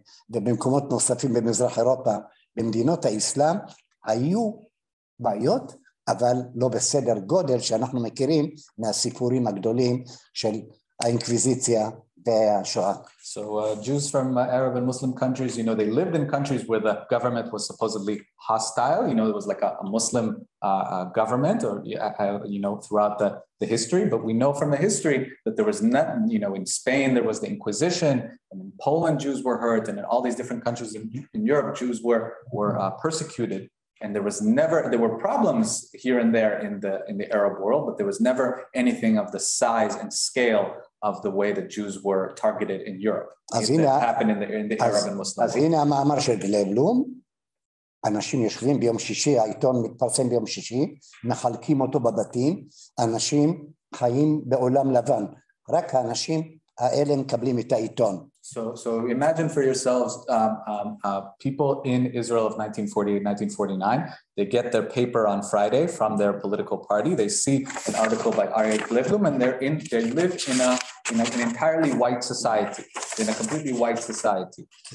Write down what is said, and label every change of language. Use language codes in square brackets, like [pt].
[he] ובמקומות נוספים במזרח אירופה, במדינות האסלאם, היו בעיות, אבל לא בסדר גודל שאנחנו מכירים מהסיפורים הגדולים של האינקוויזיציה והשואה. [en] So Jews from Arab and Muslim countries, you know, they lived in countries where the government was supposedly hostile. You know, it was like a Muslim government or, you know, throughout the history. But we know from the history that there was nothing, you know, in Spain, there was the Inquisition. And in Poland, Jews were hurt. And in all these different countries in Europe, Jews were persecuted. And there were problems here and there in the Arab world, but there was never anything of the size and scale of the way that Jews were targeted in Europe. That happened in the Arab and Muslim world. [he] אז הנה המאמר של גלבלום, אנשים יושבים ביום שישי, העיתון מתפרסם ביום שישי, מחלקים אותו בבתים, אנשים חיים בעולם לבן, רק האנשים האלה מקבלים את העיתון. [en] So imagine for yourselves, people in Israel of 1948, 1949, they get their paper on Friday from their political party. They see an article by Aryeh Glevlum, and they live in an entirely white society, in a completely white society.